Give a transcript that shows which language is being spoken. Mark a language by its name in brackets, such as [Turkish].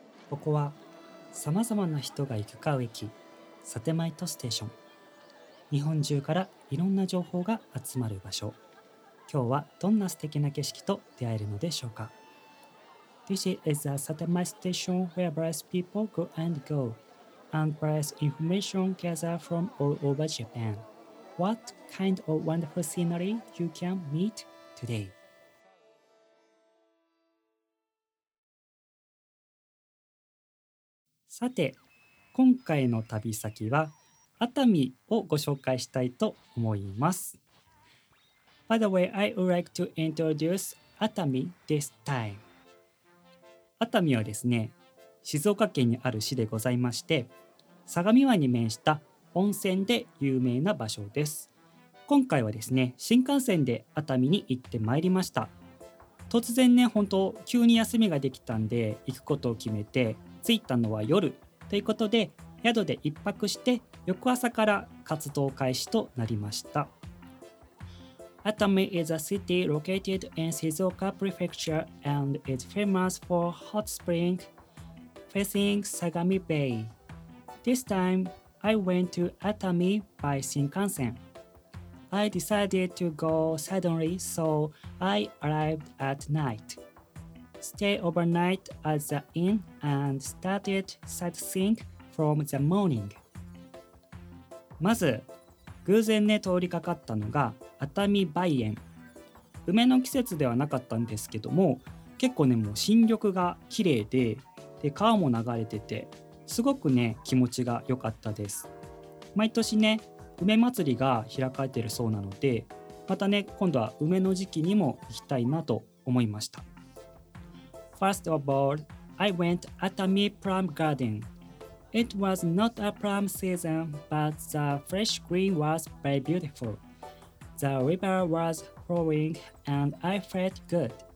[Japanese] ここは様々な人が行き交う駅、サテマイトステーション。日本中からいろんな情報が集まる場所。今日はどんな素敵な景色と出会えるのでしょうか。 [English] This is a satellite station where various people go and go, and various information gathered from all over Japan. What kind of wonderful scenery you can meet today? [Japanese] さて、今回の旅先は熱海をご紹介したいと思います。 [English] By the way, I would like to introduce 熱海 this time. [Japanese] 熱海はですね、静岡県にある市でございまして、相模湾に面した温泉で有名な場所です。今回はですね、新幹線で熱海に行ってまいりました。突然ね、本当急に休みができたんで行くことを決めて、着いたのは夜ということで、宿で一泊して翌朝から活動開始となりました。 [English] Atami is a city located in Shizuoka Prefecture and is famous for hot spring facing Sagami Bay. This time, I went to Atami by Shinkansen. I decided to go suddenly, so I arrived at night. Stay overnight at the inn and started sightseeing from the morning. [Japanese] まず、偶然ね、通りかかったのが熱海梅園。梅の季節ではなかったんですけども、結構ねもう新緑が綺麗 で川も流れててすごくね気持ちが良かったです。毎年ね梅祭りが開かれてるそうなので、またね今度は梅の時期にも行きたいなと思いました。 [English] First of all, I went Atami Plum Garden. It was not a plum season, but the fresh green was very beautiful. The river was flowing and I felt good.